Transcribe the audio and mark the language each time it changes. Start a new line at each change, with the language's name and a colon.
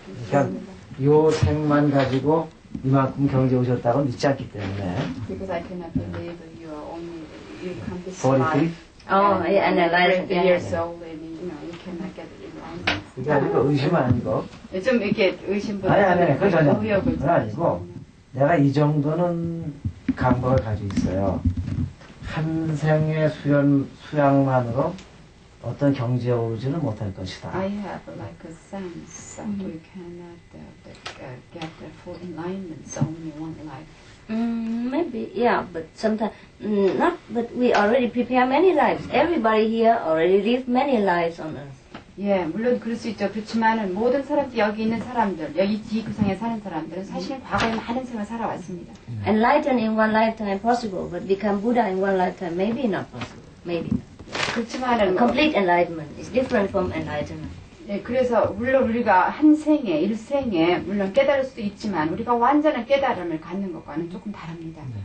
Korean: 그냥 요 생만 가지고 이만큼 경지에 오셨다고 믿지 않기 때문에.
English: Because I cannot believe you come to see. 43? Oh, yeah,
Korean: 이게 아니고 의심 아니고. 좀 이렇게 의심보다 의욕을 좀. 내가 이 정도는 감각을 가지고 있어요. 한 생의 수양만으로 어떤 경지에 오르지는 못할 것이다.
English: I have like a sense that we cannot get the full enlightenment only one life. Maybe, yeah, but sometimes, not, but we already prepare many lives. Everybody here already lived many lives on earth.
Korean: 예, 물론 그럴 수 있죠. 그렇지만은 모든 사람들, 여기 있는 사람들, 여기 이 구성에 사는 사람들은 사실 과거에 많은 생을 살아왔습니다.
English: Enlightened in one lifetime possible, but become Buddha in one lifetime maybe not possible. Maybe not.
Korean: 그렇지만은
English: complete enlightenment is different from enlightenment.
Korean: 예, 그래서 물론 우리가 한 생에, 일생에 물론 깨달을 수도 있지만 우리가 완전한 깨달음을 갖는 것과는 조금 다릅니다.